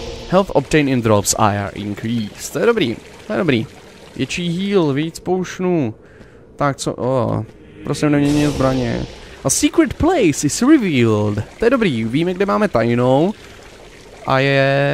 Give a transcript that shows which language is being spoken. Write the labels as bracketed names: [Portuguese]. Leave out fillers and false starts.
[English] Health obtained in drops IR increased. [Czech] To je dobrý. To je dobrý. Větší heal, víc poušnů. Tak co, oh, prosím nemění zbraně. [English] A secret place is revealed. [Czech] To je dobrý, víme kde máme tajnou. A je...